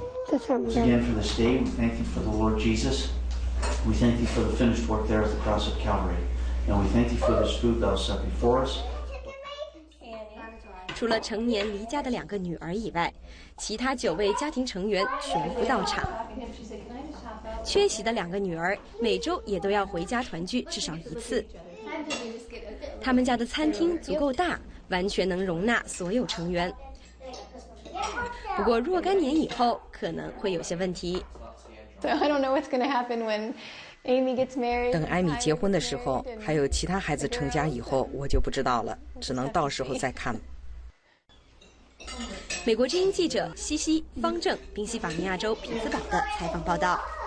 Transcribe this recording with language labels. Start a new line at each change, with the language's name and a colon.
English: Once again for this day, we thank you for the Lord Jesus. We thank you for the finished work there at the cross of Calvary. And we thank you for this food that was set before us.
Chinese: 除了成年离家的两个女儿以外，其他九位家庭成员全部到场。缺席的两个女儿每周也都要回家团聚至少一次。他们家的餐厅足够大，完全能容纳所有成员。不过若干年以后可能会有些问题。
English: So I don't know what's going to happen when
Chinese: 等艾米结婚的时候，还有其他孩子成家以后，我就不知道了，只能到时候再看。美国之音记者西西方正，宾夕法尼亚州匹兹堡的采访报道。